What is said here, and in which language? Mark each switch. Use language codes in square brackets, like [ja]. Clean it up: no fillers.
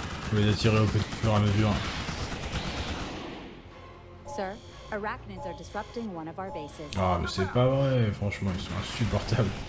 [fr] Je vais les attirer au fur et à mesure. [en] Sir, arachnids are disrupting one of our bases. [fr] Ah, mais c'est pas vrai, franchement, ils sont insupportables.